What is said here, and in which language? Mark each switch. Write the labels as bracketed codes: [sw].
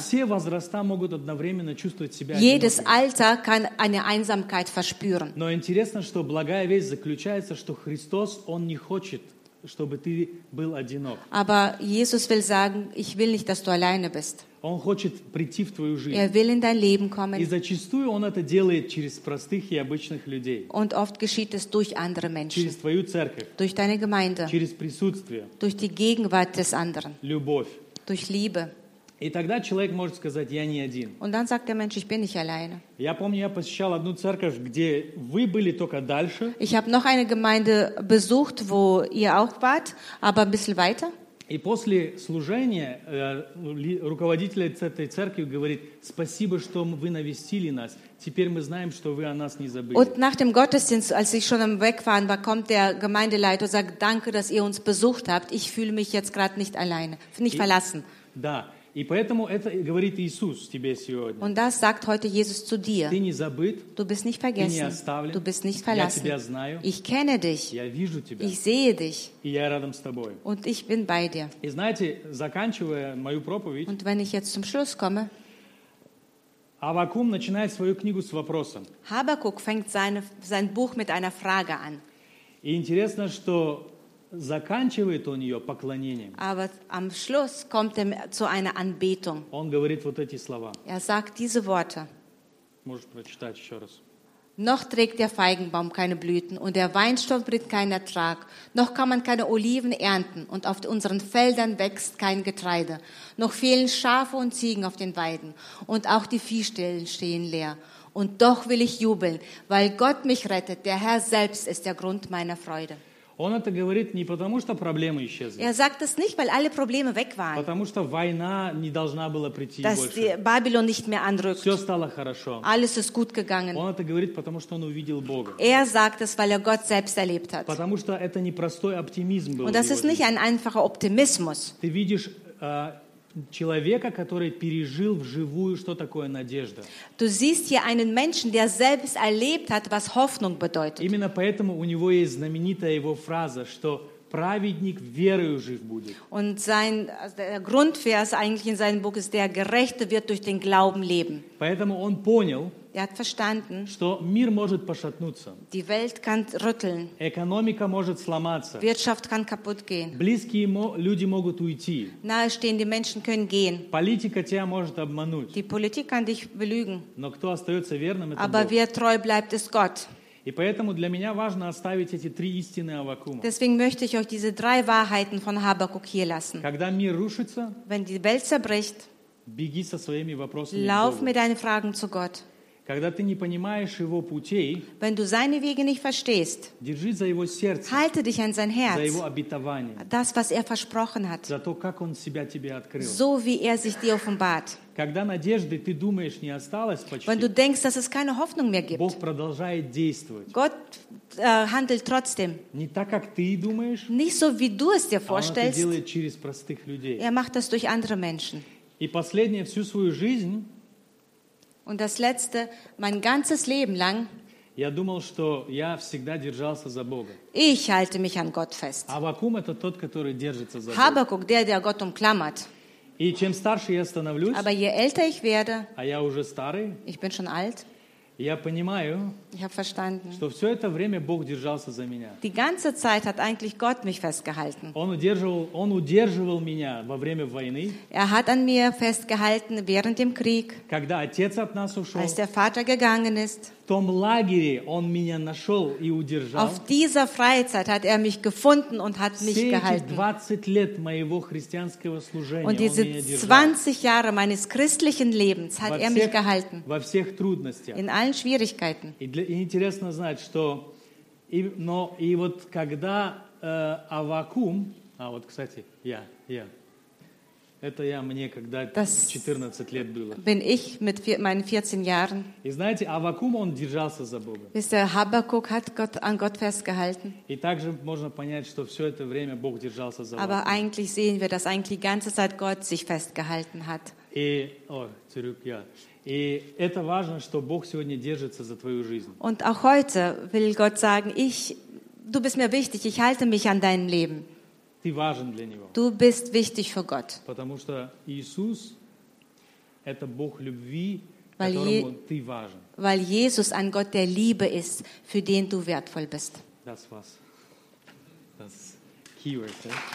[ru] Все возраста могут одновременно чувствовать себя [de] Jedes [ru] одиноким. [de] Alter kann eine Einsamkeit verspüren. [ru] Но интересно, что благая весть заключается, что Христос, Он не хочет, чтобы ты был одинок. [de] Aber Jesus will sagen, ich will nicht, dass du alleine bist. [ru] Он хочет прийти в твою жизнь. [de] Er will in dein Leben kommen. [ru] И зачастую он это делает через простых и обычных людей. [de] Und oft geschieht es durch andere Menschen. [ru] Через твою церковь. [de] Durch deine Gemeinde. [ru] Через присутствие. [de] Durch die Gegenwart des anderen. [ru] Любовь. [de] Durch Liebe. [ru] И тогда человек может сказать, я не один. [de] Und dann sagt der Mensch, ich bin nicht alleine. [ru] Я помню, я посещал одну церковь, где вы были только дальше. [de] Ich habe noch eine Gemeinde besucht, wo ihr auch wart, aber ein bisschen weiter. [ru] И после служения руководитель этой церкви говорит, спасибо, что вы навестили нас. Теперь мы знаем, что вы о нас не забыли. [de] Und nach dem Gottesdienst, als ich schon am Wegfahren war, kommt der Gemeindeleiter und sagt, danke, dass ihr uns besucht habt. Ich fühle mich jetzt gerade nicht alleine, nicht verlassen. [ru] Да. И поэтому это говорит Иисус тебе сегодня. [de] Und das sagt heute Jesus zu dir. [ru] Ты не забыт. [de] Du bist nicht vergessen. [ru] Ты не оставлен. [de] Du bist nicht verlassen. [ru] Я тебя знаю. [de] Ich kenne dich. [ru] Я вижу тебя. [de] Ich sehe dich. [ru] И я рядом с тобой. [de] Und ich bin bei dir. [ru] И знаете, заканчивая мою проповедь. [de] Und wenn ich jetzt zum Schluss komme. [ru] Аввакум начинает свою книгу с вопросом. [de] Habakkuk fängt sein Buch mit einer Frage an. [ru] И интересно, что заканчивает он ее поклонением. [de] Aber am Schluss kommt zu einer Anbetung. [ru] Он говорит вот эти слова. [de] Er sagt diese Worte. [ru] Можешь прочитать еще раз. [de] Noch trägt der Feigenbaum keine Blüten und der Weinstock bringt keinen Ertrag. Noch kann man keine Oliven ernten und auf unseren Feldern wächst kein Getreide. Noch fehlen Schafe und Ziegen auf den Weiden und auch die Viehställe stehen leer. Und doch will ich jubeln, weil Gott mich rettet. Der Herr selbst ist der Grund meiner Freude. [ru] Он это говорит не потому, что проблемы исчезли. [de] Er sagt das nicht, weil alle Probleme weg waren. [ru] Потому что война не должна была прийти [de] dass [ru] больше. [de] Dass Babylon nicht mehr anrückt. [ru] Все стало хорошо. [de] Alles ist gut gegangen. [ru] Он это говорит, потому что он увидел Бога. [de] Er sagt das, weil Gott selbst erlebt hat. [ru] Потому что это не простой оптимизм был. [de] Und das ist nicht ein einfacher Optimismus. [ru] Ты видишь человека, который пережил вживую, что такое надежда. [de] Du siehst hier einen Menschen, der selbst erlebt hat, was Hoffnung bedeutet. [ru] Именно поэтому у него есть знаменитая его фраза, что праведник верою жив будет. [de] Und sein Grundvers eigentlich in seinem Buch ist, der Gerechte wird durch den Glauben leben. [ru] Поэтому он понял, [de] er hat verstanden, [ru] что мир может пошатнуться. [de] Die Welt kann rütteln. [ru] Экономика может сломаться. [de] Wirtschaft kann kaputt gehen. [ru] Близкие люди могут уйти. [de] Nahestehende Menschen können gehen. [ru] Политика тебя может обмануть. [de] Die Politik kann dich belügen. [ru] Но кто остается верным, это [de] Aber [ru] Бог. [de] Wer treu bleibt, ist Gott. [ru] И поэтому для меня важно оставить эти три истины Аввакума. [de] Deswegen möchte ich euch diese drei Wahrheiten von Habakkuk hier lassen. [ru] Когда мир рушится, [de] wenn die Welt zerbricht, [ru] беги со своими вопросами [de] Lauf mit deinen Fragen zu Gott. [ru] Когда ты не понимаешь его путей, [de] wenn du seine Wege nicht verstehst, [ru] держи за его сердце, [de] halte dich an sein Herz, [ru] за его обетование, [de] das, was er versprochen hat, [ru] за то, как он себя тебе открыл, [de] so wie er sich dir offenbart. [ru] Когда надежды ты думаешь не осталось почти, [de] wenn du denkst, dass es keine Hoffnung mehr gibt, [ru] Бог продолжает действовать. [de] Gott handelt trotzdem. [ru] Не так, как ты думаешь, [de] nicht so, wie du es dir vorstellst, [ru] а он это делает через простых людей. [de] Er macht das durch andere Menschen. [ru] И последнее всю свою жизнь. [de] Und das Letzte, mein ganzes Leben lang, [ru] я думал, что я всегда держался за Бога. [de] Ich halte mich an Gott fest. [ru] Аввакум – это тот, который держится за [de] Habakkuk, Der, der Gott umklammert. [ru] И чем старше я становлюсь, [de] Aber je älter ich werde, [ru] а я уже старый, [de] ich bin schon alt, [ru] я понимаю, [de] ich habe verstanden, [ru] что все это время Бог держался за меня. [de] Die ganze Zeit hat eigentlich Gott mich festgehalten. [ru] Он удерживал меня во время войны. [de] Er hat an mir festgehalten während dem Krieg. [ru] Когда отец от нас ушел. [de] Als der Vater gegangen ist. [ru] В том лагере он меня нашел и удержал. [de] Auf dieser Freizeit hat er mich gefunden und hat mich gehalten. [ru] Все 20 лет моего христианского служения [de] Und diese 20 Jahre meines christlichen Lebens hat er mich gehalten. [ru] Во всех трудностях. [de] In allen Schwierigkeiten. [ru] Интересно знать, что и вот когда Аввакум, а вот, кстати, я, это я мне, когда [de] das [ru] 14 лет было. [de] Bin ich mit meinen 14 Jahren. [ru] И знаете, Аввакум, он держался за Бога. [de] Wisst ihr, Habakkuk hat Gott, an Gott festgehalten. [ru] И также можно понять, что все это время Бог держался за Бога. [de] Aber eigentlich sehen wir, dass eigentlich die ganze Zeit Gott sich festgehalten hat. И, zurück, ja. [ru] И это важно, что Бог сегодня держится за твою жизнь. [de] Und auch heute will Gott sagen, du bist mir wichtig, ich halte mich an deinem Leben. [ru] Ты важен для него. [de] Du bist wichtig für Gott. [ru] Потому что Иисус – это Бог любви, которому ты важен. [de] Weil Jesus ein Gott der Liebe ist, für den du wertvoll bist. Das war's. Das Keyword, ja?